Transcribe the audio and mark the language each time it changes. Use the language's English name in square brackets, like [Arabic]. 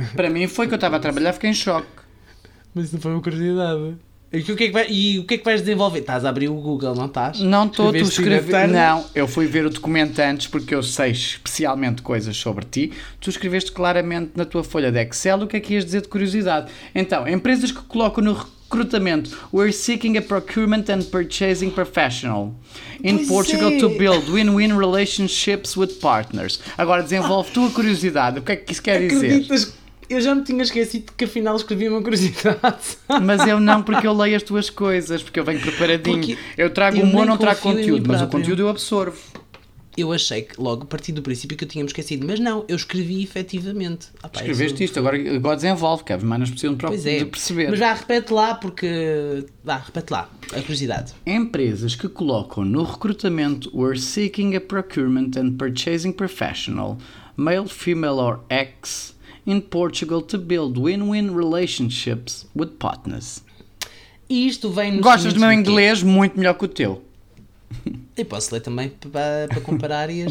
[Portuguese] Para mim foi, que eu estava a trabalhar, fiquei em choque. Mas isso não foi uma curiosidade. E o que é que vais desenvolver? Estás a abrir o Google, não estás? Não estou, tu escreveste. Não, eu fui ver o documento antes porque eu sei especialmente coisas sobre ti. Tu escreveste claramente na tua folha de Excel o que é que ias dizer de curiosidade. Então, empresas que colocam no recrutamento: [English] We're seeking a procurement and purchasing professional in pois Portugal to build win-win relationships with partners. [Portuguese] Agora desenvolve tua curiosidade. O que é que isso quer dizer? Eu já me tinha esquecido que afinal escrevi uma curiosidade. Mas eu não, porque eu leio as tuas coisas, porque eu venho preparadinho. Porque eu trago humor, não trago conteúdo, mas próprio. O conteúdo eu absorvo. Eu achei que logo, a partir do princípio, que eu tinha me esquecido, mas não, eu escrevi efetivamente. Apai, escreveste isto, agora desenvolve, que é mais não possível de perceber. Mas já repete lá, porque... Vá, repete lá, a curiosidade. Empresas que colocam no recrutamento [English] were seeking a procurement and purchasing professional, male, female or ex... in Portugal to build win-win relationships with partners. [Portuguese] E isto vem... Gostas do meu inglês? Muito melhor que o teu. E posso ler também para comparar e as...